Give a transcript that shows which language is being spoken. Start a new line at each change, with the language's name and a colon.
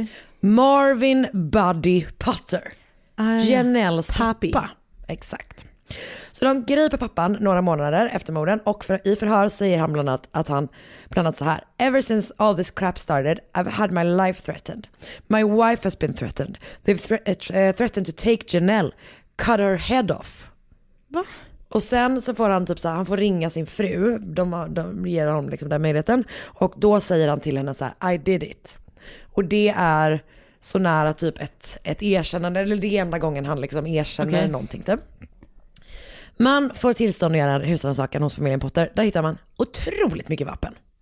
Swedish: Okay. Marvin Buddy Putter. Janelles pappa. Exakt. Så de griper pappan några månader efter morden, och för, i förhör säger han bland annat att han bland annat så här:
English: "Ever since all this crap started, I've had my life threatened. My wife has been threatened. They've threatened to take Janelle, cut her head off."
Swedish: Va? Och sen så får han typ så här, han får ringa sin fru. De ger honom liksom den möjligheten, och då säger han till henne så här:
English: "I did it."
Swedish: Och det är så nära typ ett erkännande, eller det enda gången han liksom erkänner okay. någonting typ. Man får tillstånd att göra husrannsakan hos familjen Potter. Där hittar man otroligt mycket vapen.